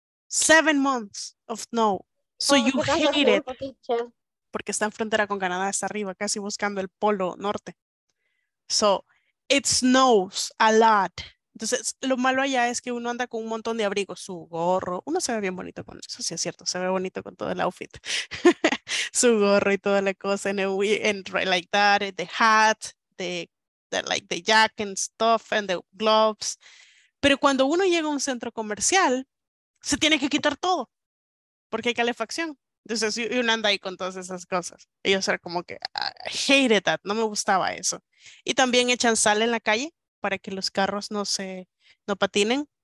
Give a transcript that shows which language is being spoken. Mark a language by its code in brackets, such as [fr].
[en] 7 months of snow. So you hate it. [es] Porque está en frontera con Canadá, está arriba, casi buscando el polo norte. [en] So it snows a lot. [es] Entonces, lo malo allá es que uno anda con un montón de abrigos, su gorro. Uno se ve bien bonito con eso, sí es cierto. Se ve bonito con todo el outfit. Su gorro y toda la cosa. [en] And like that, the hat, the jacket and stuff, and the gloves. [es] Pero cuando uno llega a un centro comercial, se tiene que quitar todo. Porque hay calefacción. Entonces, uno anda ahí con todas esas cosas. Ellos eran como que, [en] I hated that. [es] No me gustaba eso. Y también echan sal en la calle para que los carros no patinen.